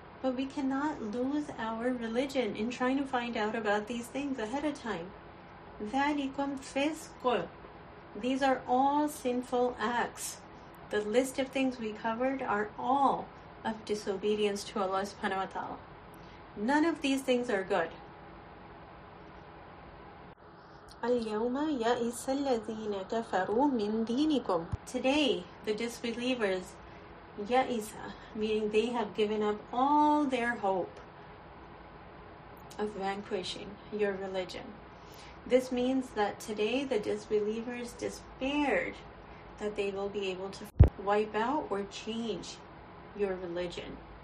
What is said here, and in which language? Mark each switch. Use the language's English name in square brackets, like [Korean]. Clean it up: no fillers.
[English] But we cannot lose our religion in trying to find out about these things ahead of time. [Arabic] ذَلِكُمْ فِسْقُ. [English] These are all sinful acts. The list of things we covered are all of disobedience to Allah subhanahu wa ta'ala. None of these things are good. [Arabic] اليوم يئس الذين كفروا من دينكم. [English] Today, the disbelievers, يئسَ, meaning they have given up all their hope of vanquishing your religion. This means that today the disbelievers despaired that they will be able to wipe out or change your religion.